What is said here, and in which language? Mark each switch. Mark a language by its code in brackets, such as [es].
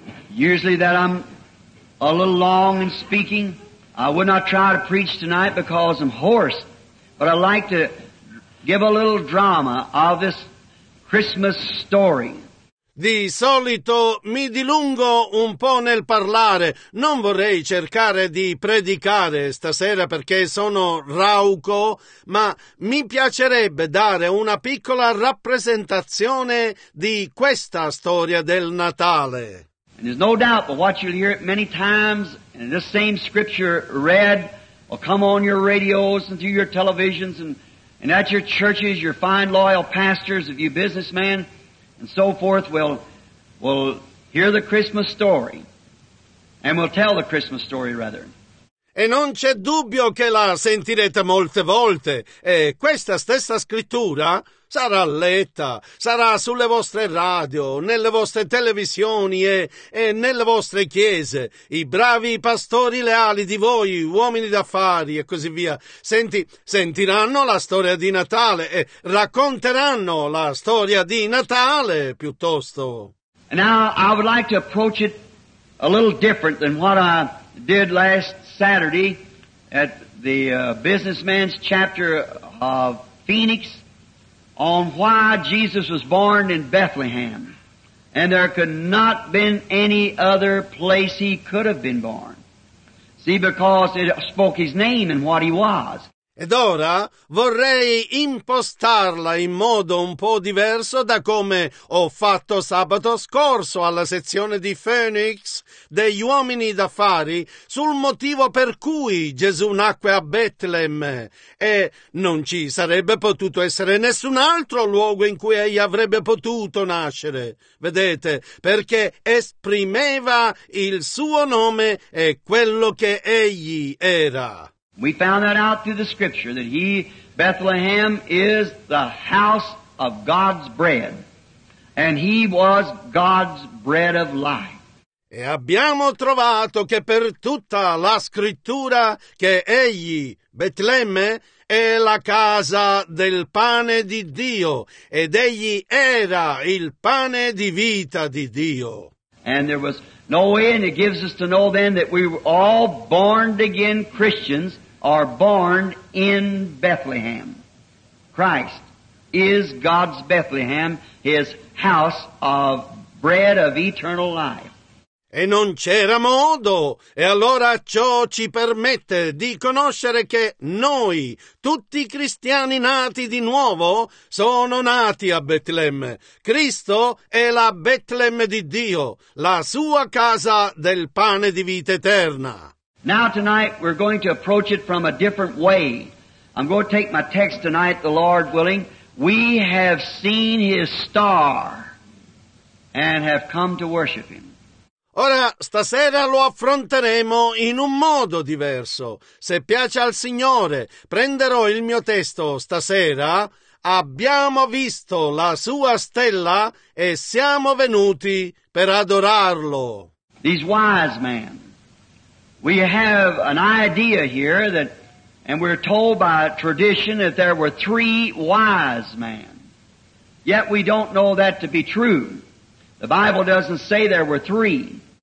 [en] Usually that I'm a little long in speaking. I would not try to preach tonight because I'm hoarse, but I'd like to give a little drama of this Christmas story. [it] Di solito mi dilungo un po' nel parlare. Non vorrei cercare di predicare stasera perché sono rauco, ma mi piacerebbe dare una piccola rappresentazione di questa storia del Natale. [en] And there's no doubt but what you'll hear it many times, and this same scripture read will come on your radios and through your televisions and at your churches, your fine loyal pastors, if you businessmen and so forth will hear the Christmas story, and will tell the Christmas story rather. [it] E non c'è dubbio che la sentirete molte volte, e questa stessa scrittura sarà letta, sarà sulle vostre radio, nelle vostre televisioni e nelle vostre chiese. I bravi pastori leali di voi, uomini d'affari e così via, sentiranno la storia di Natale e racconteranno la storia di Natale piuttosto. [en] Now I would like to approach it a little different than what I did last Saturday at the businessman's chapter of Phoenix. On why Jesus was born in Bethlehem, and there could not been any other place He could have been born. See, because it spoke His name and what He was. [it] Ed ora vorrei impostarla in modo un po' diverso da come ho fatto sabato scorso alla sezione di Phoenix degli uomini d'affari sul motivo per cui Gesù nacque a Betlehem, e non ci sarebbe potuto essere nessun altro luogo in cui egli avrebbe potuto nascere, vedete, perché esprimeva il suo nome e quello che egli era. [en] We found that out through the scripture that Bethlehem is the house of God's bread, and He was God's bread of life. [it] E abbiamo trovato che per tutta la scrittura che egli, Betlemme, è la casa del pane di Dio, ed egli era il pane di vita di Dio. [en] And there was no way, and it gives us to know then that we were all born again Christians. Are born in Bethlehem. Christ is God's Bethlehem, His house of bread of eternal life. [it] E non c'era modo, e allora ciò ci permette di conoscere che noi, tutti i cristiani nati di nuovo, sono nati a Betlemme. Cristo è la Betlemme di Dio, la sua casa del pane di vita eterna. [en] Now tonight we're going to approach it from a different way. I'm going to take my text tonight, the Lord willing. We have seen His star and have come to worship Him. [it] Ora, stasera lo affronteremo in un modo diverso. Se piace al Signore, prenderò il mio testo stasera. Abbiamo visto la sua stella e siamo venuti per adorarlo. [en] These wise men. We have an idea here that, and we're told by tradition that there were three wise men. Yet we don't know that to be true. The Bible doesn't say there were three.